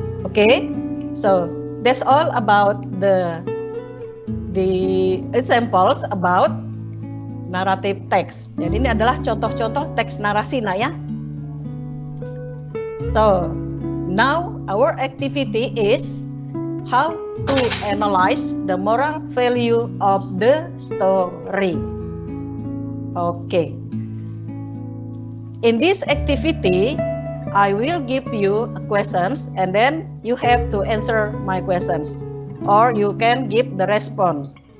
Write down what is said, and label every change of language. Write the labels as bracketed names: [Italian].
[English] Okay, so that's all about the examples about narrative text. [Indonesian] Jadi ini adalah contoh-contoh teks narasi, nah ya. [English] So, now our activity is how to analyze the moral value of the story. Okay. In this activity, I will give you questions and then you have to answer my questions or you can give the response.